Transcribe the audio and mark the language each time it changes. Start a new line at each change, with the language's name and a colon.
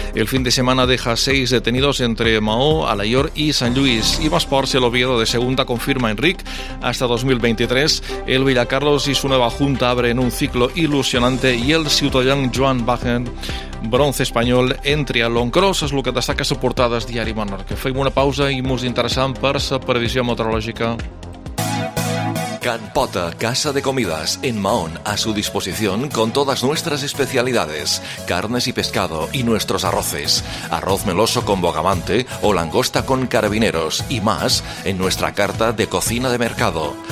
Spanish: El fin de semana deja 6 detenidos entre Mahó, Alaior y San Luis. Y más por si el Oviedo de segunda confirma Enric. Hasta 2023, el Villacarlos y su nueva junta abren un ciclo ilusionante y el ciutadán Joan Bagen, bronce español, en triatlón cross. Es lo que destaca su portada del diario Menorca.
Catalan: Fem una pausa y mos interessam per la previsió meteorològica.
Spanish: Can Pota, casa de comidas, en Mahón, a su disposición con todas nuestras especialidades, carnes y pescado y nuestros arroces, arroz meloso con bogamante o langosta con carabineros y más en nuestra carta de cocina de mercado.